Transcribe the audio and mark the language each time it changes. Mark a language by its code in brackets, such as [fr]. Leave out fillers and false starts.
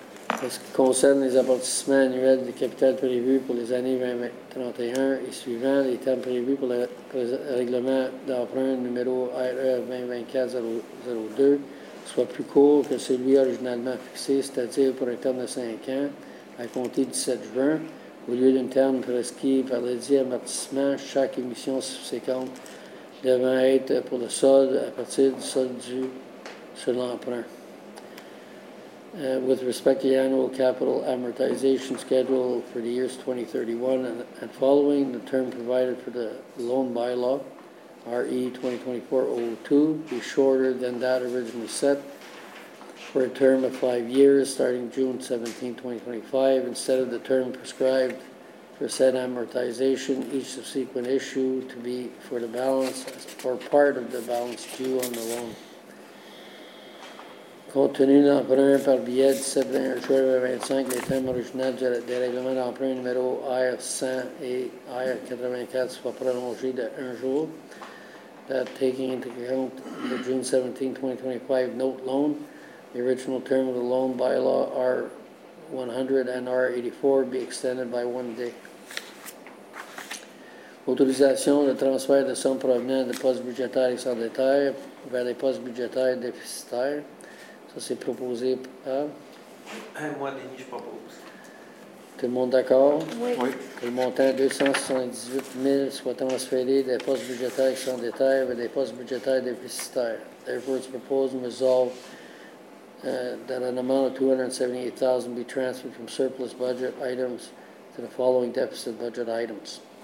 [fr] En ce qui concerne les amortissements annuels de capital prévus pour les années 2031 et suivant, les termes prévus pour le règlement d'emprunt numéro RE-2024-002 soient plus courts que celui originalement fixé, c'est-à-dire pour un terme de 5 ans, à compter du 17 juin, au lieu d'un terme prescrit par le dit amortissement, chaque émission subséquente devant être pour le solde à partir du solde dû sur l'emprunt. [en] With respect to the annual capital amortization schedule for the years 2031 and following, the term provided for the loan bylaw, RE-2024-02, be shorter than that originally set for a term of 5 years starting June 17, 2025. Instead of the term prescribed for said amortization, each subsequent issue to be for the balance or part of the balance due on the loan. [fr] Compte tenu de l'emprunt par billet 17-21-25, les termes originaux des règlements d'emprunt numéro IF-100 et IF-84 soient prolongés de un jour. [en] That taking into account the June 17, 2025 note loan, the original term of the loan bylaw R-100 and R-84 be extended by 1 day. [fr] Autorisation de transfert de sommes provenant de postes budgétaires sans détail vers les postes budgétaires déficitaires. Ça, c'est proposé par. Moi, Denis, je propose. Tout le monde d'accord? Oui. Que le montant 278 000 soit transféré des postes budgétaires sans détail vers des postes budgétaires déficitaires. [en] Therefore, it's proposed and resolved that an amount of $278,000 be transferred from surplus budget items to the following deficit budget items.